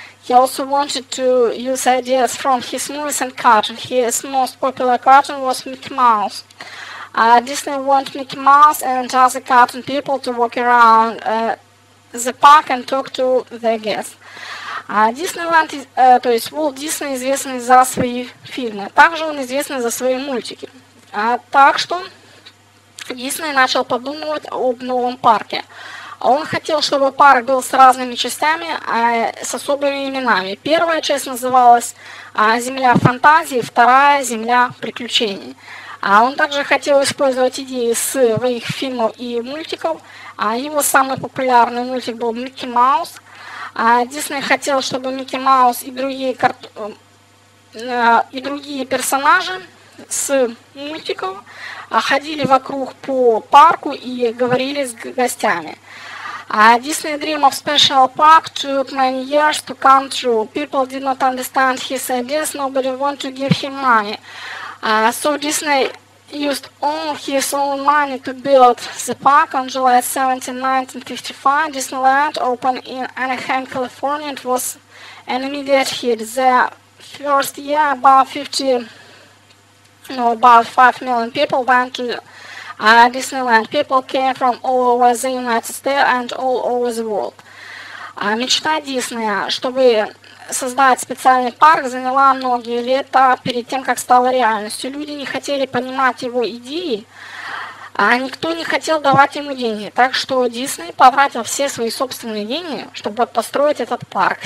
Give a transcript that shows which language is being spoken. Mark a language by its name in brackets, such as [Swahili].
[English] He also wanted to use ideas from his movies and cartoon. His most popular cartoon was Mickey Mouse. Disney wanted Mickey Mouse and other cartoon people to walk around the park and talk to their guests. [Russian] Диснейленд, то есть Walt Disney известный за свои фильмы. Также он известный за свои мультики. Так что Дисней начал подумывать об новом парке. Он хотел, чтобы парк был с разными частями, с особыми именами. Первая часть называлась «Земля фантазии», вторая – «Земля приключений». Он также хотел использовать идеи из своих фильмов и мультиков. Его самый популярный мультик был «Микки Маус». Дисней хотел, чтобы Микки Маус и другие, персонажи с мультиков ходили вокруг по парку и говорили с гостями. [English] Disney dream of special park took many years to come true. People did not understand his ideas, nobody wanted to give him money. So Disney used all his own money to build the park. On July 17, 1955, Disneyland opened in Anaheim, California. It was an immediate hit. The first year, about 5 million people went to Disneyland. People came from all over the United States and all over the world. [Russian] Мечта Диснея, чтобы создать специальный парк, заняла многие лета перед тем, как стала реальностью. Люди не хотели понимать его идеи, а никто не хотел давать ему деньги. Так что Дисней потратил все свои собственные деньги, чтобы построить этот парк.